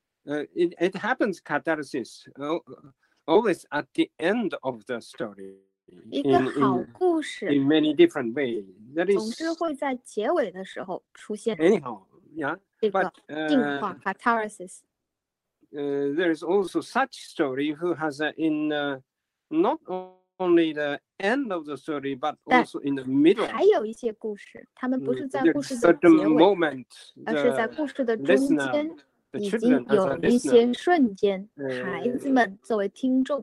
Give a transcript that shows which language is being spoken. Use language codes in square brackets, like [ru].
[en] It happens catharsis always at the end of the story. [zh] 一个好故事。 [en] In many different ways. That is. [zh] 总是会在结尾的时候出现。 [en] Anyhow, yeah. [zh] 这个净化 catharsis. [en] There is also such story who has in not only the. End of the story, but also in the middle. [zh] 还有一些故事，他们不是在故事的结尾， [en] certain moment, [zh] 而是在故事的中间， [en] listener, [zh] 已经有一些瞬间，孩子们作为听众。